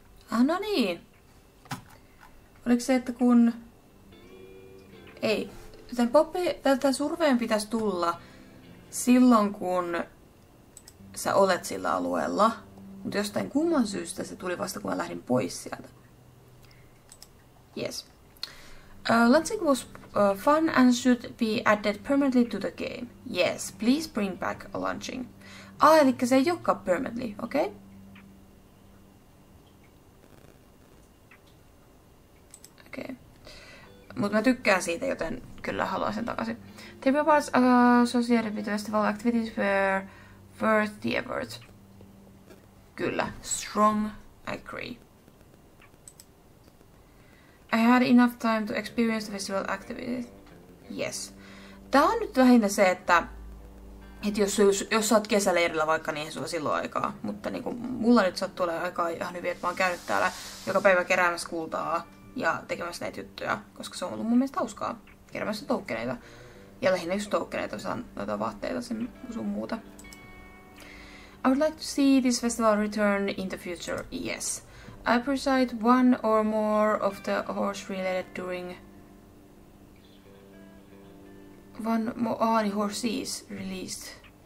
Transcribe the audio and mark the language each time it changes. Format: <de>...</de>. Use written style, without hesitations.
<fi>Ah, no niin. Oliko se, että kun... Ei. Tämän surveen pitäisi tulla silloin, kun sä olet sillä alueella. Mutta jostain kumman syystä se tuli vasta, kun mä lähdin pois sieltä.</fi> <en>Yes. Lunching was fun and should be added permanently to the game. Yes, please bring back a lunching.</en> <fi>Ah, eli se ei olekaan permanently, okei? Okay? Mutta mä tykkään siitä, joten kyllä haluan sen takaisin.</fi> <en>The rewards associated with festival activities were worth the effort. Kyllä. Strong. I agree. I had enough time to experience the festival activities. Yes.</en> <fi>Tää on nyt lähinnä se, että jos sä oot kesäleirillä vaikka, niin ei sulla silloin aikaa. Mutta niinku, mulla nyt sattuu olemaan aikaa ihan hyvin, että mä oon käynyt täällä joka päivä keräämässä kultaa. Ja tekemässä näitä juttuja, koska se on ollut mun mielestä hauskaa. Kerämässä toukkeneita. Ja lähinnä just toukkeneita, saan noita vaatteita sen sun muuta.</fi> <en>I would like to see this festival return in the future, yes. I preside one or more of the horse related during... One more... Ah, niin horses released.</en>